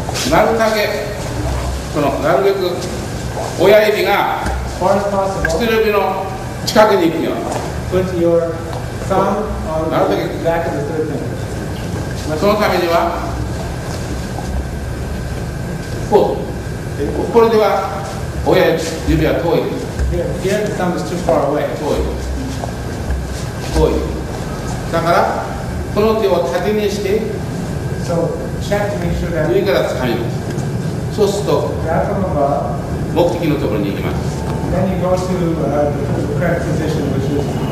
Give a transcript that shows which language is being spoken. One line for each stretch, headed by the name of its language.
Japanese: なるだけ、このなるべく親指が薬指の近くに行くよ。
English: Put your thumb on the back of the third finger.
Japanese: そのためには、こう、これでは。親指は遠いです。
English: Here, the thumb is too far away.
Japanese: 遠い。だから、この手を縦にして、
English: so, check to make sure that
Japanese: 上から掴みます。そうすると、
English: grab from above,
Japanese: 目的のところに行きます。
English: Then you go to, the correct position, which is